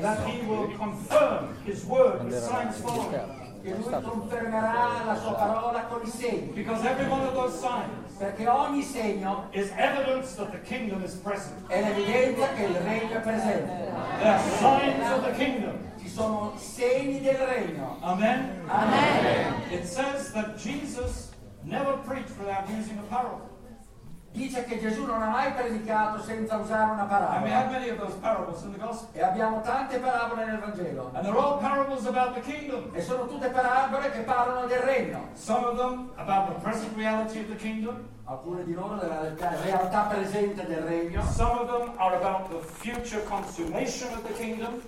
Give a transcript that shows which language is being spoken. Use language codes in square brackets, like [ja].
[en] That he will confirm his word with signs following. [it] Che lui confermerà la sua parola con i segni. [en] Because every one of those signs. [it] Perché ogni segno [en] is evidence that the kingdom is present. [it] È l'evidenza che il regno è presente. [en] There are signs of the kingdom. [it] Ci sono segni del regno. Amen. Amen. [en] It says that Jesus never preached without using a parable. [it] dice che Gesù non ha mai predicato senza usare una parabola. [en] And we have many of those parables in the gospel. [it] E abbiamo tante parabole nel Vangelo. [en] And they're all parables about the kingdom. [it] E sono tutte parabole che parlano del regno. [en] Some of them about the present reality of the kingdom. [it] Alcune di loro della realtà presente del regno. [en] Some of them are about the future consummation of the kingdom.